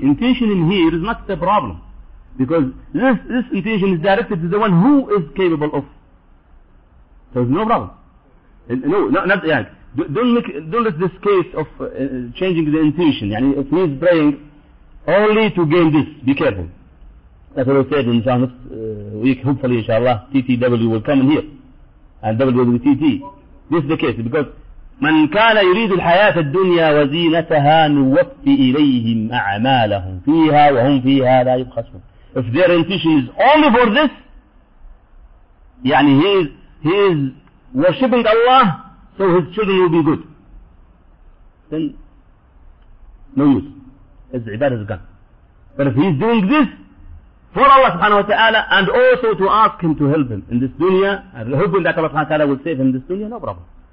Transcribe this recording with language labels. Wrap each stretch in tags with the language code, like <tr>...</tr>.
<en>Intention in here is not the problem, because this intention is directed to the one who is capable of. So there's no problem. Don't let this case of changing the intention. Yani if he's praying only to gain this, be careful. That's what I said in the next week, hopefully, inshallah, TTW will come in here. And W will be TT. This is the case, because</en> <ar>من كان يريد الحياة الدنيا وزينتها نوفي إليهم أعمالهم فيها وهم فيها لا يبخسون.</ar> <en>If their intention is only for this, يعني he is worshipping Allah, so his children will be good. Then, no use. His ibadah is gone. But if he's doing this, for Allah subhanahu wa ta'ala, and also to ask Him to help him in this dunya, and hoping that Allah subhanahu wa ta'ala will save him in this dunya, no problem.</en>